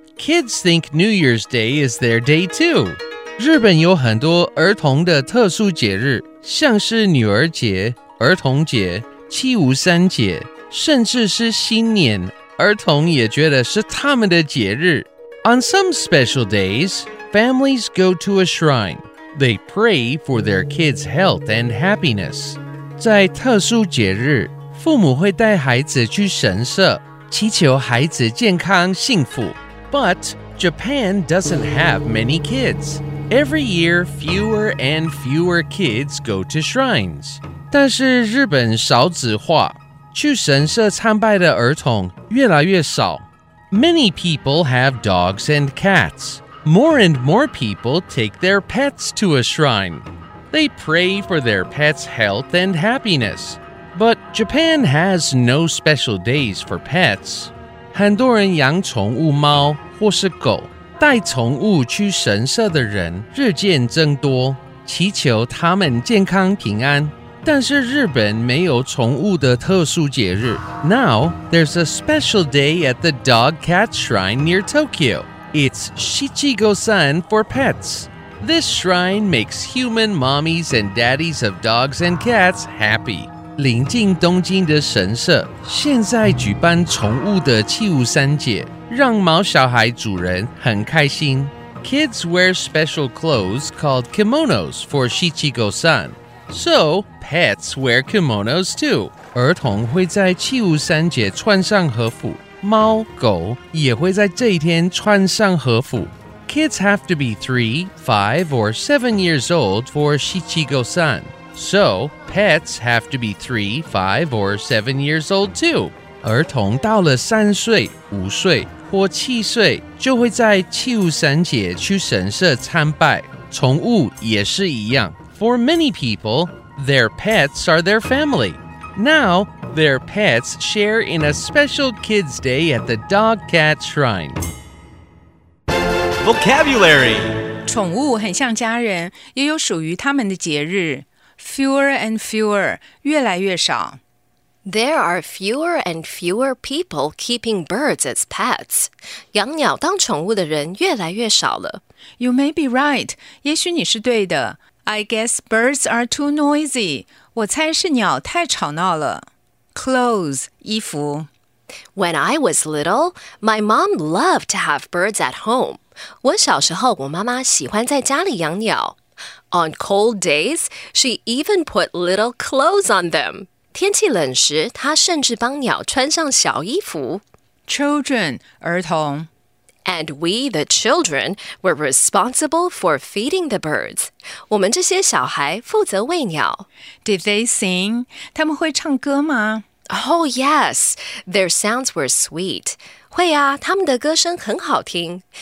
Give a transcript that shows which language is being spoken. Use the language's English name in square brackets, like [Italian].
[English] Kids think New Year's Day is their day too. [Chinese] 日本有很多儿童的特殊节日，像是女儿节、儿童节、七五三节，甚至是新年儿童也觉得是他们的节日。 [English] On some special days, families go to a shrine. They pray for their kids' health and happiness. [Chinese] 在特殊节日，父母会带孩子去神社，祈求孩子健康幸福。 [English] But Japan doesn't have many kids. Every year, fewer and fewer kids go to shrines. [Chinese] 但是日本少子化，去神社参拜的儿童越来越少。 [English] Many people have dogs and cats. More and more people take their pets to a shrine. They pray for their pets' health and happiness. But Japan has no special days for pets. [Chinese] 很多人养宠物猫或是狗，带宠物去神社的人日渐增多，祈求他们健康平安。但是日本没有宠物的特殊节日。 [English] Now, there's a special day at the dog-cat shrine near Tokyo. It's Shichi-Go-San for pets. This shrine makes human mommies and daddies of dogs and cats happy. [Chinese] 临近东京的神社现在举办宠物的七五三节，让毛小孩主人很开心。 [English] Kids wear special clothes called kimonos for Shichi-Go-San. So, pets wear kimonos too. [Chinese] 儿童会在七五三节穿上和服，猫狗也会在这一天穿上和服。 [English] Kids have to be 3, 5, or 7 years old for Shichi-Go-San. So, pets have to be 3, 5, or 7 years old too. [Chinese] 儿童到了三岁、五岁或七岁就会在七五三节去神社参拜。宠物也是一样。 [English] For many people, their pets are their family. Now, their pets share in a special kids' day at the dog-cat shrine. Vocabulary [Chinese] 宠物很像家人，也有属于他们的节日。 [English] Fewer and fewer, [Chinese] 越来越少。 [English] There are fewer and fewer people keeping birds as pets. [Chinese] 养鸟当宠物的人越来越少了。 [English] You may be right, [Chinese] 也许你是对的。 [English] I guess birds are too noisy. [Chinese] 我猜是鸟太吵闹了。Clothes, 衣服。 [English] When I was little, my mom loved to have birds at home. [Chinese] 我小时候我妈妈喜欢在家里养鸟。 [English] On cold days, she even put little clothes on them. [Chinese] 天气冷时，她甚至帮鸟穿上小衣服。 [English] Children, 儿童。 And we, the children, were responsible for feeding the birds. [Chinese] 我们这些小孩负责喂鸟。 [English] Did they sing? [Chinese] 他们会唱歌吗？ [English] Oh, yes. Their sounds were sweet. [Chinese] 会啊，他们的歌声很好听。